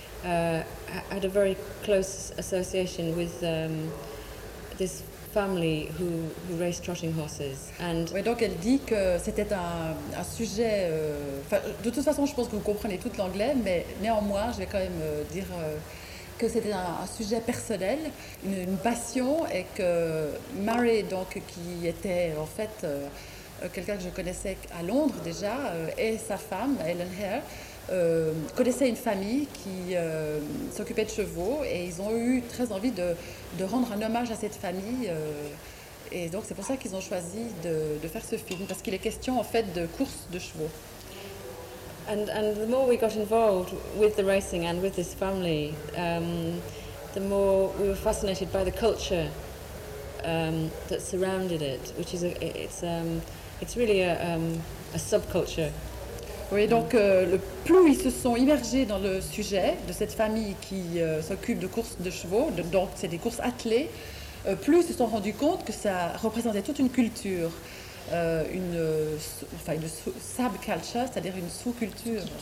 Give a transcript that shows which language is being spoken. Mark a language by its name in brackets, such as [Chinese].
[English] Had a very close association with this family who raced trotting horses. And [French] ouais, donc elle dit que c'était un sujet. De toute façon, je pense que vous comprenez tout l'anglais, mais néanmoins, je vais quand même dire que c'était un sujet personnel, une passion, et que Mary, donc, qui était en fait quelqu'un que je connaissais à Londres déjà, et sa femme, Ellen Hare, connaissait une famille qui s'occupait de chevaux, et ils ont eu très envie de rendre un hommage à cette famille, et donc c'est pour ça qu'ils ont choisi de faire ce film, parce qu'il est question en fait de courses de chevaux. [English] And the more we got involved with the racing and with this family, the more we were fascinated by the culture that surrounded it, which is it's really a subculture. [French] Oui, donc le plus ils se sont immergés dans le sujet de cette famille qui s'occupe de courses de chevaux, donc c'est des courses attelées, plus ils se sont rendus compte que ça représentait toute une culture, une subculture, c'est-à-dire une sous-culture.